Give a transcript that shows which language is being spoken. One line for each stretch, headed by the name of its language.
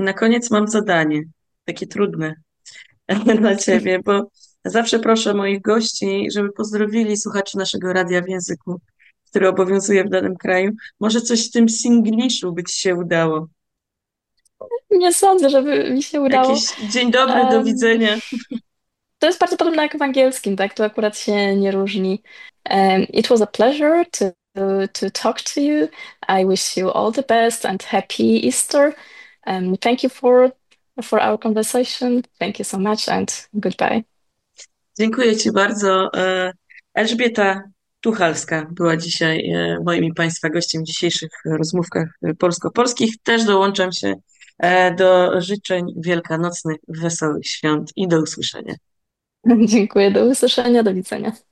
Polish: Na koniec mam zadanie, takie trudne dla ciebie, bo zawsze proszę moich gości, żeby pozdrowili słuchaczy naszego radia w języku, który obowiązuje w danym kraju. Może coś w tym singliszu by ci się udało? Nie sądzę, żeby mi się udało. Jakiś dzień dobry, do widzenia. To jest bardzo podobne jak w angielskim, tak? To akurat się nie różni.
English: It was a pleasure to talk to you. I wish you all the best and happy Easter. Thank you for our conversation. Thank you so much and goodbye.
Polish: Dziękuję Ci bardzo. Elżbieta Tuchalska była dzisiaj moimi Państwa gościem w dzisiejszych rozmówkach polsko-polskich. Też dołączam się do życzeń wielkanocnych, wesołych świąt i do usłyszenia. Dziękuję, do usłyszenia, do widzenia.